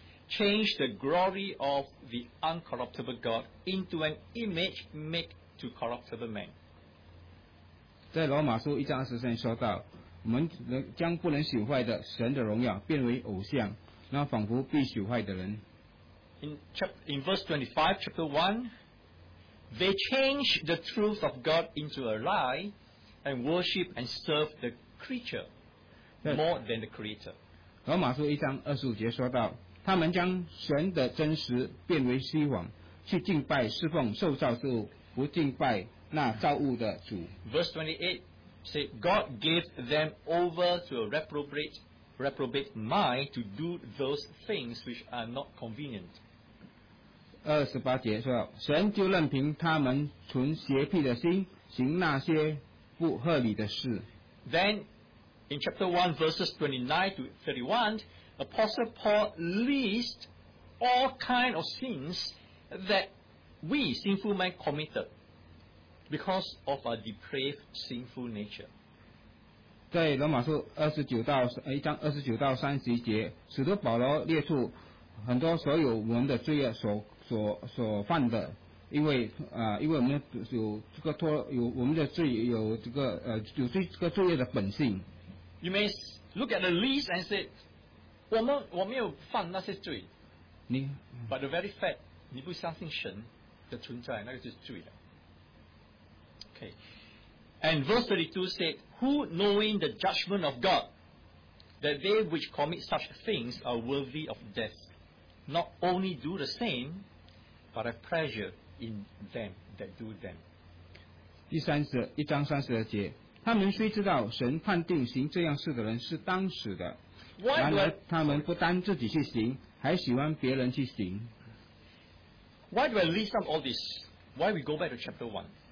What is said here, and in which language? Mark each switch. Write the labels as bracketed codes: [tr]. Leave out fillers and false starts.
[en] Change the glory of the uncorruptible God into an image made to corruptible man." [zh] 在罗马书一章二十三说到，我们将不能朽坏的神的荣耀变为偶像，那仿佛被朽坏的人。 [en] In verse 25, chapter 1, they change the truth of God into a lie and worship and serve the creature more than the creator. [zh] 罗马书一章二十五节说到。他们将神的真实变为虚妄，去敬拜侍奉受造之物，不敬拜那造物的主。 [en] Verse 28 says, "God gave them over to a reprobate mind to do those things which are not convenient." [zh] 二十八节说，神就任凭他们存邪僻的心，行那些不合理的事。 [en] Then, in chapter 1, verses 29-31. Apostle Paul lists all kinds of sins that we sinful men committed because of our depraved sinful nature. [zh] 在罗马书29-31节，使徒保罗列出很多所有我们的罪恶所犯的，因为我们有这个罪恶的本性。 [en] You may look at the list and say, [zh] 我们有犯那些罪。你， [en] But the very fact [zh] 你不相信神的存在，那个就是罪了。 [en] Okay, and verse 32 said, "Who knowing the judgment of God, that they which commit such things are worthy of death?" Not only do the same, but have pleasure in them that do them. [zh] 第31章32节，他们虽知道神判定行这样事的人是当死的，然而他们不单自己去行，还喜欢别人去行。 [en] Why do I list up all this? Why we go back to chapter 1?